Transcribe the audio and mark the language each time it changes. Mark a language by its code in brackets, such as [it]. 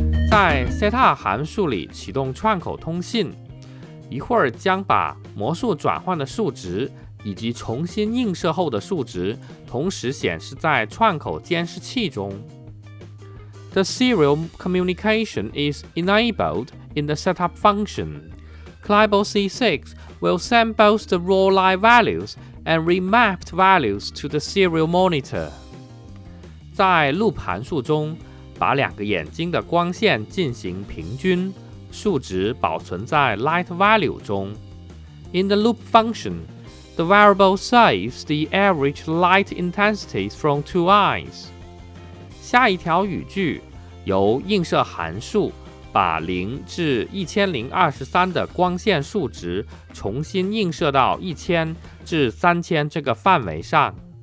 [zh] 在 setup 函数里启动串口通信，一会儿将把魔术转换的数值以及重新映射后的数值同时显示在串口监视器中。 [en] The serial communication is enabled in the setup function. Klebold C6 will send both the raw light values and remapped values to the serial monitor. [zh] 在 loop 函数中把两个眼睛的光线进行平均，数值保存在 light value 中。 [en] In the loop function, the variable saves the average light intensity from two eyes. [zh] 下一条语句由映射函数把0至1023的光线数值重新映射到1000至3000这个范围上。